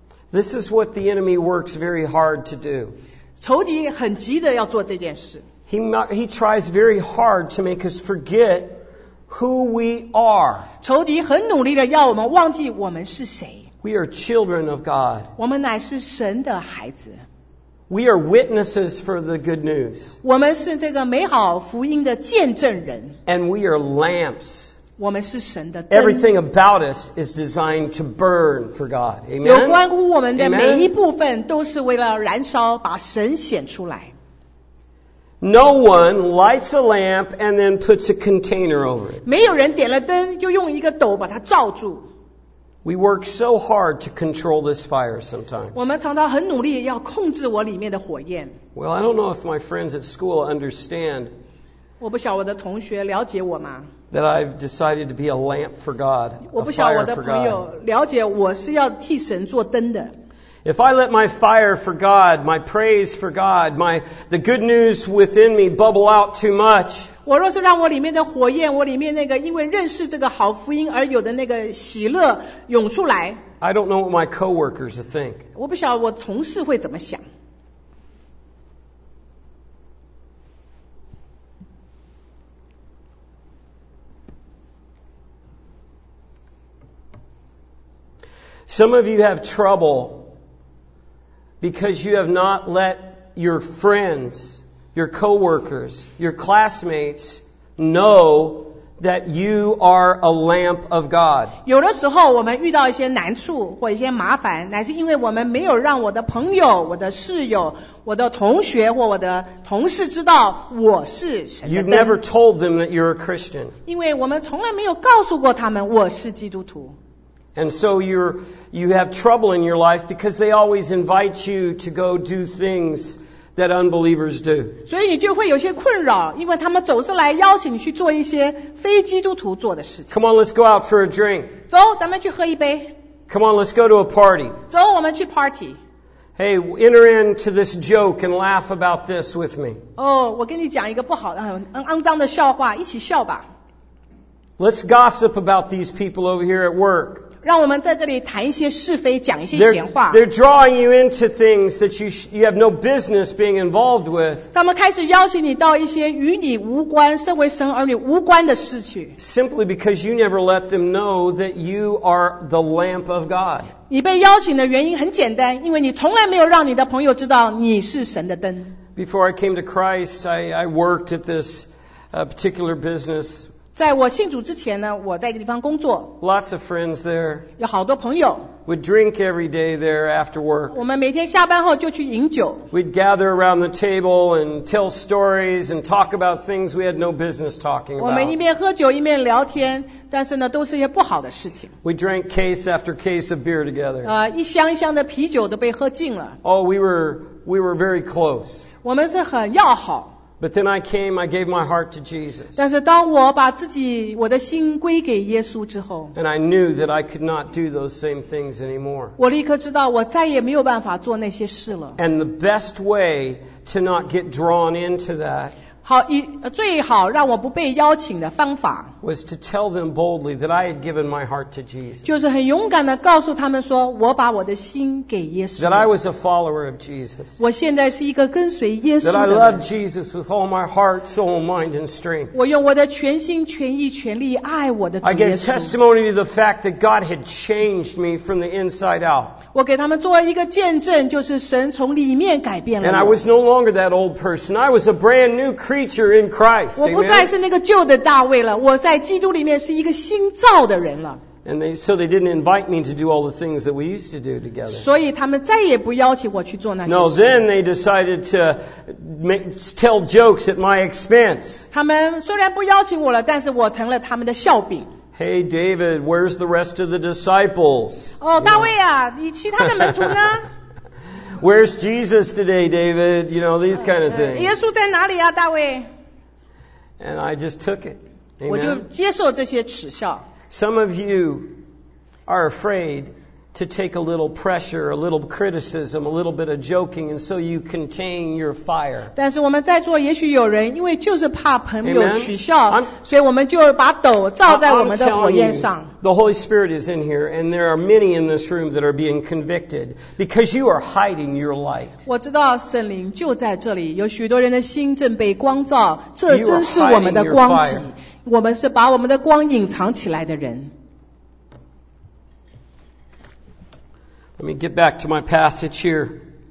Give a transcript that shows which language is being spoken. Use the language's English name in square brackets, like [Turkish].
[English] This is what the enemy works very hard to do. [Chinese] 仇敌很急的要做这件事。 [English] He tries very hard to make us forget who we are. [Chinese] 仇敌很努力的要我们忘记我们是谁。 [English] We are children of God. [Chinese] 我们乃是神的孩子。 [English] We are witnesses for the good news. [Chinese] 我们是这个美好福音的见证人。 [English] And we are lamps. [Chinese] 我们是神的灯。 [English] Everything about us is designed to burn for God. Amen? [Chinese] 有关乎我们的每一部分都是为了燃烧把神显出来。 [English] No one lights a lamp and then puts a container over it. [Chinese] 没有人点了灯又用一个斗把它罩住。 [English] We work so hard to control this fire sometimes. [Chinese] 我们常常很努力要控制我里面的火焰。 [English] Well, I don't know if my friends at school understand. [Chinese] 我不晓得我的同学了解我吗？ [English] That I've decided to be a lamp for God. [Chinese] 我不晓得我的朋友了解我是要替神做灯的。 [English] If I let my fire for God, my praise for God, the good news within me bubble out too much. [Chinese] 我若是让我里面的火焰，我里面那个因为认识这个好福音而有的那个喜乐涌出来。 [English] I don't know what my coworkers think. [Chinese] 我不晓得我同事会怎么想。 [English] Some of you have trouble because you have not let your friends, your co-workers, your classmates know that you are a lamp of God. [Chinese] 有的时候我们遇到一些难处或一些麻烦，乃是因为我们没有让我的朋友、我的室友、我的同学或我的同事知道我是神的灯。 [English] You've never told them that you're a Christian. [Chinese] 因为我们从来没有告诉过他们我是基督徒。 [English] And so you have trouble in your life because they always invite you to go do things that unbelievers do. [Chinese] 所以你就会有些困扰，因为他们总是来邀请你去做一些非基督徒做的事情。 [English] Come on, let's go out for a drink. [Chinese] 走，咱们去喝一杯。 [English] Come on, let's go to a party. [Chinese] 走，我们去 party。 [English] Hey, enter into this joke and laugh about this with me. [Chinese] 哦，我跟你讲一个不好的、肮脏的笑话，一起笑吧。 [English] Let's gossip about these people over here at work. [Chinese] 让我们在这里谈一些是非，讲一些闲话。 [English] They're drawing you into things that you have no business being involved with. [Chinese] 他们开始邀请你到一些与你无关，身为神儿女无关的事情。 [English] Simply because you never let them know that you are the lamp of God. [Chinese] 你被邀请的原因很简单，因为你从来没有让你的朋友知道你是神的灯。 [English] Before I came to Christ, I worked at this particular business. [Chinese] 在我信主之前呢，我在一个地方工作。 [English] Lots of friends there. [Chinese] 有好多朋友。 [English] We'd drink every day there after work. [Chinese] 我们每天下班后就去饮酒。 [English] We'd gather around the table and tell stories and talk about things we had no business talking about. [Chinese] 我们一边喝酒一边聊天，但是呢，都是一些不好的事情。 [English] We drank case after case of beer together. [Chinese] 一箱一箱的啤酒都被喝尽了。 [English] Oh, we were very close. [Chinese] 我们是很要好。 [English] But then I came, I gave my heart to Jesus. [Chinese] 但是当我把自己我的心归给耶稣之后 [English] ，And I knew that I could not do those same things anymore. [Chinese] 我立刻知道我再也没有办法做那些事了。 [English] And the best way to not get drawn into that. [Chinese] 好，最好让我不被邀请的方法 [English] was to tell them boldly that I had given my heart to Jesus. [Chinese] 就是很勇敢的告诉他们说我把我的心给耶稣。 [English] That I was a follower of Jesus. [Chinese] 我现在是一个跟随耶稣的人。 [English] That I love Jesus with all my heart, soul, mind, and strength. [Chinese] 我用我的全心全意全力爱我的主耶稣。 [English] I gave testimony to the fact that God had changed me from the inside out. [Chinese] 我给他们做一个见证，就是神从里面改变了我。 [English] And I was no longer that old person. I was a brand new creature in Christ. [Chinese] 我不再是那个旧的大卫了，我在基督里面是一个新造的人了。 [English] And so they didn't invite me to do all the things that we used to do together. [Chinese] 所以他们再也不邀请我去做那些事。 [English] No, then they decided to tell jokes at my expense. [Chinese] 他们虽然不邀请我了，但是我成了他们的笑柄。 [English] Hey, David, where's the rest of the disciples? [Chinese] 哦，大卫啊，你其他的门徒呢？ [English] Where's Jesus today, David? You know, these kind of things. [Chinese] 耶稣在哪里啊，大卫？ [English] And I just took it. Amen. [Chinese] 我就接受这些耻笑。 [English] Some of you are afraid to take a little pressure, a little criticism, a little bit of joking, and so you contain your fire. [Chinese] 但是我们在座也许有人因为就是怕朋友取笑，所以我们就把斗罩在我们的火焰上。 [English] The Holy Spirit is in here, and there are many in this room that are being convicted because you are hiding your light. [Chinese] 我知道圣灵就在这里，有许多人的心正被光照，这真是我们的光景。我们是把我们的光隐藏起来的人。 [English] Let me get back to my passage here.